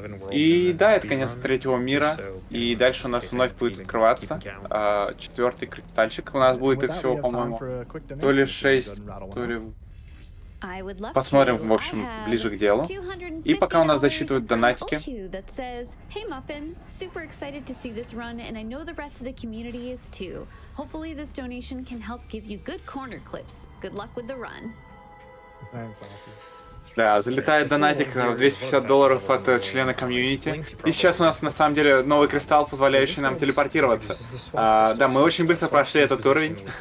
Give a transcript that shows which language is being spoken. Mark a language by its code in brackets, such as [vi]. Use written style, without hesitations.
[ru] И да, это конец третьего мира, и дальше у нас вновь будет открываться четвертый кристальчик. У нас будет их всего, по-моему, то ли шесть, то ли... Посмотрим, в общем, ближе к делу. И пока у нас засчитывают донатики. [en] Hey, Muffin, super excited to see this run, and I know the rest of the community is too. Hopefully this donation can help give you good corner clips. Good luck with the run. [ru] Да, залетает донатик в $250 от члена комьюнити. И сейчас у нас на самом деле новый кристалл, позволяющий нам телепортироваться. Да, мы очень быстро прошли этот уровень.